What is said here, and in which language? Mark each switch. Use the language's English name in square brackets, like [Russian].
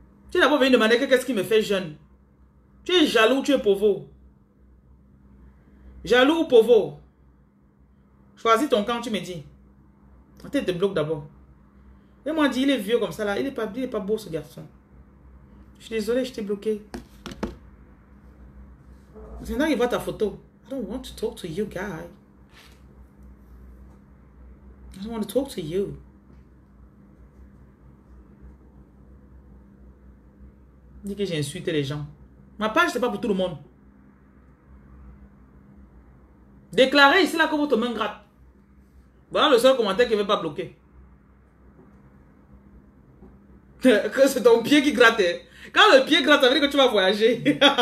[French] Tu es d'abord venu demander que qu'est-ce qui me fait jeune. Tu es jaloux, tu es pauvre. Jaloux ou pauvre? Choisis ton camp, tu me dis. Attends, te bloque d'abord. Et moi, dis, il est vieux comme ça là. Il est pas beau ce garçon. Je suis désolé, je t'ai bloqué. Maintenant, il voit ta photo. [English] I don't want to talk to you, guy. I don't want to talk to you. [French] Il dit que j'ai insulté les gens. Ma page, c'est pas pour tout le monde. Déclarez ici là que votre main gratte. Voilà le seul commentaire qu'il ne veut pas bloquer. Que c'est ton pied qui gratte. Quand le pied gratte, ça veut dire que tu vas voyager.